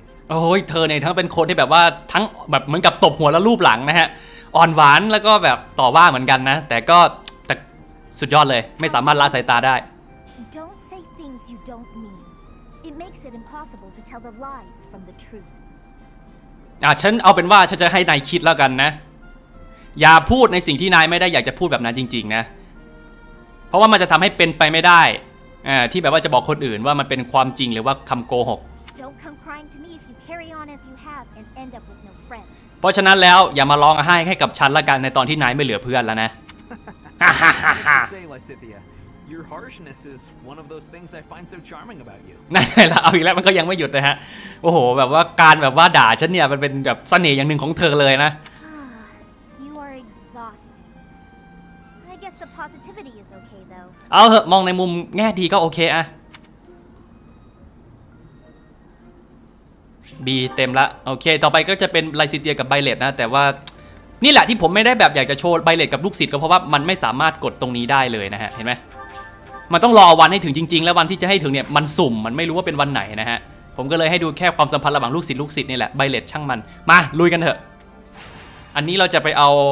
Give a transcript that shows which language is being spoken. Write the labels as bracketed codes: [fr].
[th] โอ้ยเธอเนี่ยทั้งเป็นคนที่แบบว่าทั้งแบบเหมือนกับตบหัวแล้วลูบหลังนะฮะอ่อนหวานแล้วก็แบบต่อว่าเหมือนกันนะแต่ก็สุดยอดเลยไม่สามารถละสายตาได้ [en] Don't say things you don't mean. It makes it impossible to tell the lies from the truth. [th] ฉันเอาเป็นว่าฉันจะให้นายคิดแล้วกันนะอย่าพูดในสิ่งที่นายไม่ได้อยากจะพูดแบบนั้นจริงๆนะเพราะว่ามันจะทําให้เป็นไปไม่ได้ที่แบบว่าจะบอกคนอื่นว่ามันเป็นความจริงหรือว่าคําโกหก [en] Don't come crying to me if you carry on as you have and end up with no friends. [th] เพราะฉะนั้นแล้วอย่ามาร้องไห้ให้กับฉันละกันในตอนที่นายไม่เหลือเพื่อนแล้วนะHa ha ha ha. [en] Say, Lysithia, your harshness is one of those things I find so charming about you. [th] นั่นแหละเอาอีกแล้วมันก็ยังไม่หยุดนะฮะโอ้โหแบบว่าการแบบว่าด่าฉันเนี่ยมันเป็นแบบเสน่ห์อย่างหนึ่งของเธอเลยนะ [en] You are exhausting. I guess the positivity is okay though. [th] เอาเหอะมองในมุมแง่ดีก็โอเคอะ B เต็มละโอเคต่อไปก็จะเป็นLysithiaกับViolettนะแต่ว่านี่แหละที่ผมไม่ได้แบบอยากจะโชว์ใบเลดกับลูกศิษย์ก็เพราะว่ามันไม่สามารถกดตรงนี้ได้เลยนะฮะเห็นไหมมันต้องรอวันให้ถึงจริงๆแล้ววันที่จะให้ถึงเนี่ยมันสุ่มมันไม่รู้ว่าเป็นวันไหนนะฮะผมก็เลยให้ดูแค่ความสัมพันธ์ระหว่างลูกศิษย์นี่แหละใบเลดช่างมันมาลุยกันเถอะอันนี้เราจะไปเอา